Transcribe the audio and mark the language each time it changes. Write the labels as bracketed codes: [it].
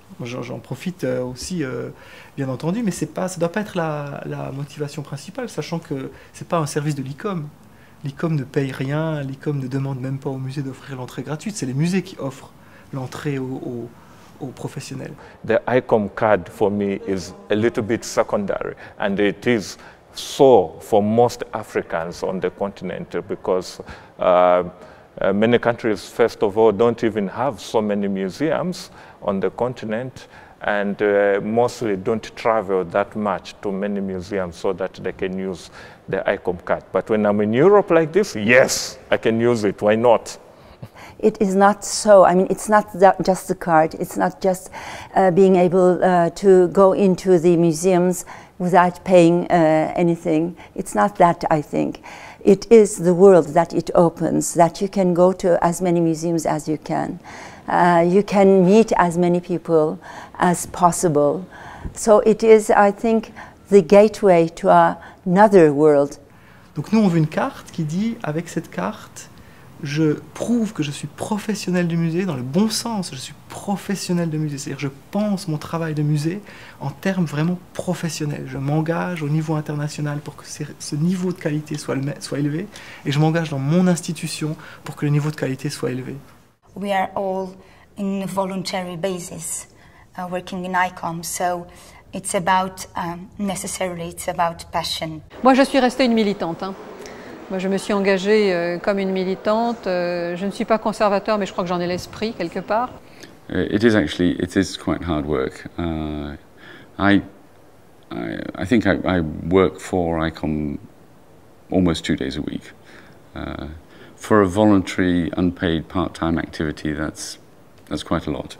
[fr] J'en profite aussi, bien entendu, mais c'est pas, ça ne doit pas être la motivation principale, sachant que ce n'est pas un service de l'ICOM. L'ICOM ne paye rien, l'ICOM ne demande même pas au musée d'offrir l'entrée gratuite. C'est les musées qui offrent l'entrée aux professionnels. [en] The ICOM card for me is a little bit secondary, and it is so for most Africans on the continent, because many countries, first of all, don't even have so many museums on the continent, and mostly don't travel that much to many museums so that they can use the ICOM card. But when I'm in Europe like this, yes, I can use it. Why not? It is not so. I mean, it's not that just the card. It's not just being able to go into the museums without paying anything. It's not that, I think. It is the world that it opens, that you can go to as many museums as you can. You can meet as many people as possible. So it is, I think, the gateway to another world. [fr] Donc nous, on veut une carte qui dit, avec cette carte, je prouve que je suis professionnel du musée, dans le bon sens, je suis professionnel de musée. C'est-à-dire, je pense mon travail de musée en termes vraiment professionnels. Je m'engage au niveau international pour que ce niveau de qualité soit élevé, et je m'engage dans mon institution pour que le niveau de qualité soit élevé. [en] We are all in a voluntary basis, working in ICOM, so it's about, necessarily, it's about passion. [fr] Moi, je suis restée une militante, hein. Moi, je me suis engagée comme une militante. Je ne suis pas conservateur, mais je crois que j'en ai l'esprit quelque part. [en] It is actually, it is quite hard work. I think I work for ICOM almost 2 days a week. For a voluntary, unpaid, part-time activity, that's quite a lot.